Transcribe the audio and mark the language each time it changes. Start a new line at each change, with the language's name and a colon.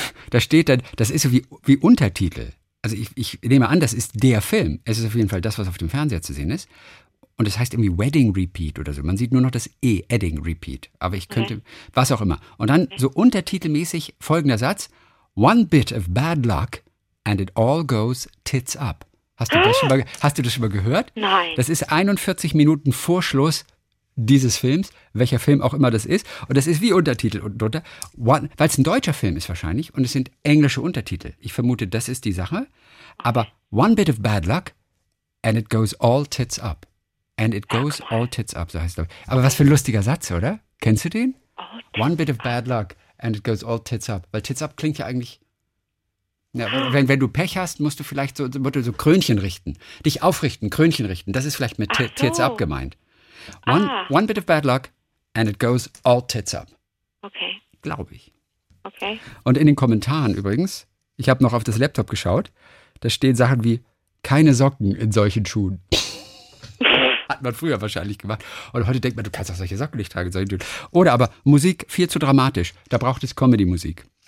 German: Da steht dann, das ist so wie Untertitel. Also ich nehme an, das ist der Film. Es ist auf jeden Fall das, was auf dem Fernseher zu sehen ist. Und das heißt irgendwie Wedding Repeat oder so. Man sieht nur noch das E, Edding Repeat. Aber ich könnte, was auch immer. Und dann so untertitelmäßig folgender Satz.
English: One bit of bad luck and it all goes tits up.
German: Hast du das schon mal gehört? Nein. Das ist 41 Minuten vor Schluss dieses Films, welcher Film auch immer das ist. Und das ist wie Untertitel unten drunter. Weil es ein deutscher Film ist wahrscheinlich und es sind englische Untertitel. Ich vermute, das ist die Sache. Aber
English: one bit of bad luck and it goes all tits up. And it goes all tits up,
German: so heißt es. Aber was für ein lustiger Satz, oder? Kennst du den?
English: One bit of bad luck and it goes all tits up.
German: Weil tits up klingt ja eigentlich, ja, wenn du Pech hast, musst du vielleicht so Krönchen richten. Dich aufrichten, Krönchen richten. Das ist vielleicht mit tits up gemeint.
English: One bit of bad luck and it goes all tits up.
German: Okay. Glaube ich. Okay. Und in den Kommentaren übrigens, ich habe noch auf das Laptop geschaut, da stehen Sachen wie, keine Socken in solchen Schuhen. Hat man früher wahrscheinlich gemacht. Und heute denkt man, du kannst auch solche Socken nicht tragen. Oder aber, Musik viel zu dramatisch, da braucht es Comedy-Musik.